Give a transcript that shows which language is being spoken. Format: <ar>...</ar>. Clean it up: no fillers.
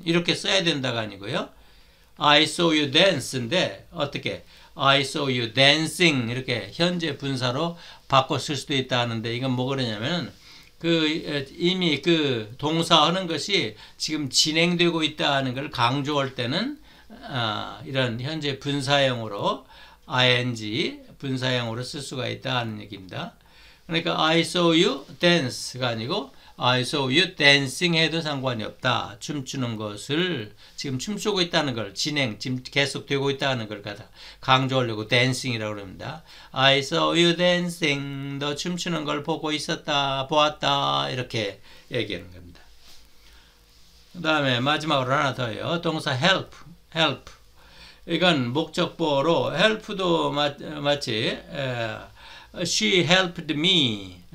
<ko>이렇게 써야 된다가 아니고요.</ko> <en>I saw you dance</en> <ko>인데 어떻게</ko> <en>I saw you dancing</en> <ko>이렇게 현재 분사로 바꿔 쓸 수도 있다는데 이건 뭐 그러냐면 그 이미 그 동사하는 것이 지금 진행되고 있다는 걸 강조할 때는 이런 현재 분사형으로 ing 분사형으로 쓸 수가 있다는 얘기입니다. 그러니까</ko> <en>I saw you dance가 아니고 I saw you dancing</en> <ko>해도 상관이 없다. 춤추는 것을 지금 춤추고 있다는 걸 진행 지금 계속되고 있다는 걸 갖다 강조하려고 dancing이라고 합니다.</ko> <en>I saw you dancing.</en> <ko>너 춤추는 걸 보고 있었다. 보았다. 이렇게 얘기하는 겁니다. 다음에 마지막으로 하나 더요. 동사 help. 이건 목적보로 help도 마치</ko> <en>she helped me.</en>